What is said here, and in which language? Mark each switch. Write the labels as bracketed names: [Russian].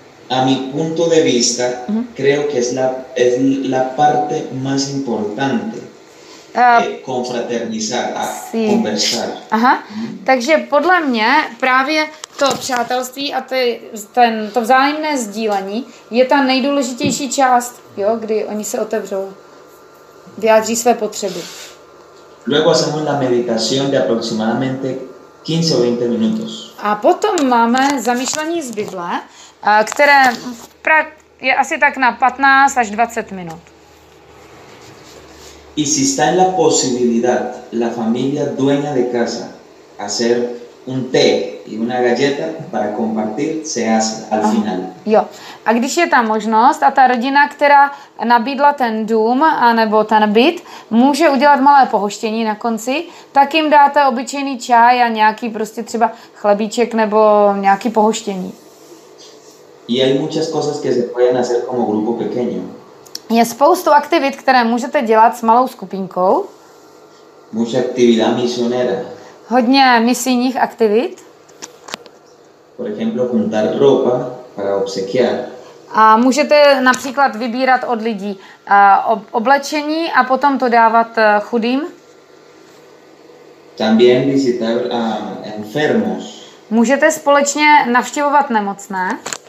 [Spanish] A mi punto de vista, creo que es la parte más importante. Konfraternizar a sí. Conversar. Aha. [Czech] Takže podle mě právě to přátelství a to vzájemné sdílení je ta nejdůležitější část, jo, kdy oni se otevřou, vyjádří své potřeby. [Spanish] Luego hacemos la meditación de aproximadamente 15 o 20 minutos. [Czech] A potom máme zamýšlení z Bible, které je asi tak na 15 až 20 minut. [Spanish] Y si está en la posibilidad la familia dueña de casa hacer un té y una galleta para compartir, se hace al final. Jo. [Czech] A když je ta možnost a ta rodina, která nabídla ten dům anebo ten byt, může udělat malé pohoštění na konci, tak jim dáte obyčejný čaj a nějaký prostě třeba chlebíček nebo nějaký pohoštění. [Spanish] Y hay muchas cosas que se pueden hacer como grupo pequeño. [Czech] Je spoustu aktivit, které můžete dělat s malou skupinkou. [Spanish] Mucha actividad misionera. [Czech] Hodně misijních aktivit. [Spanish] Por ejemplo, juntar ropa para obsequiar. [Czech] A můžete například vybírat od lidí oblečení a potom to dávat chudým. [Spanish] También visitar a enfermos. [Czech] Můžete společně navštěvovat nemocné.